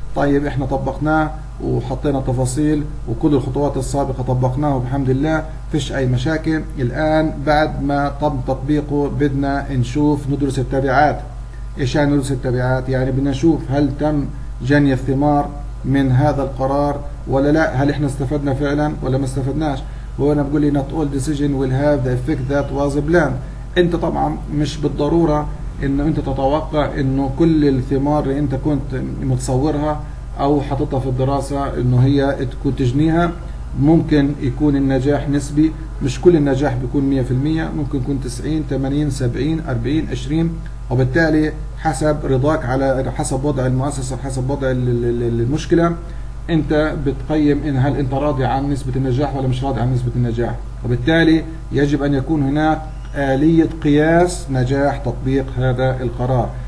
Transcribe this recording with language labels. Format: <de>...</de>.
<ar>طيب احنا طبقناه وحطينا تفاصيل وكل الخطوات السابقة طبقناها وبحمد الله فيش اي مشاكل، الان بعد ما تم تطبيقه بدنا نشوف ندرس التبعات. ايش يعني ندرس التبعات؟ يعني بدنا نشوف هل تم جني الثمار من هذا القرار ولا لا، هل احنا استفدنا فعلا ولا ما استفدناش. وانا بقول لي</ar> <en>not all decision will have the effect that was planned.</en> <ar>انت طبعا مش بالضرورة انه انت تتوقع انه كل الثمار اللي انت كنت متصورها او حطتها في الدراسة انه هي تكون تجنيها. ممكن يكون النجاح نسبي، مش كل النجاح بيكون 100%، ممكن يكون 90 80 70 40 20، وبالتالي حسب رضاك على حسب وضع المؤسسة حسب وضع المشكلة انت بتقيم ان هل انت راضي عن نسبة النجاح ولا مش راضي عن نسبة النجاح، وبالتالي يجب ان يكون هناك آلية قياس نجاح تطبيق هذا القرار.</ar>